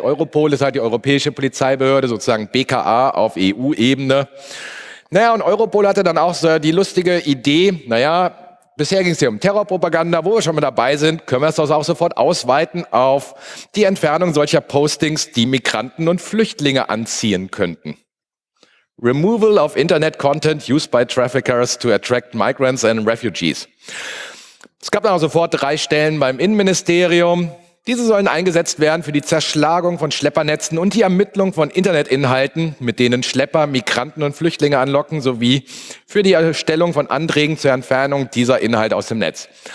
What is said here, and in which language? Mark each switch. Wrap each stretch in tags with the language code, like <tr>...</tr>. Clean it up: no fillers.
<de>Europol ist halt die europäische Polizeibehörde, sozusagen BKA auf EU-Ebene. Naja, und Europol hatte dann auch so die lustige Idee, naja, bisher ging es hier um Terrorpropaganda, wo wir schon mal dabei sind, können wir es auch sofort ausweiten auf die Entfernung solcher Postings, die Migranten und Flüchtlinge anziehen könnten.</de> <en>Removal of Internet Content used by traffickers to attract migrants and refugees.</en> <de>Es gab dann auch sofort drei Stellen beim Innenministerium. Diese sollen eingesetzt werden für die Zerschlagung von Schleppernetzen und die Ermittlung von Internetinhalten, mit denen Schlepper Migranten und Flüchtlinge anlocken, sowie für die Erstellung von Anträgen zur Entfernung dieser Inhalte aus dem Netz.</de>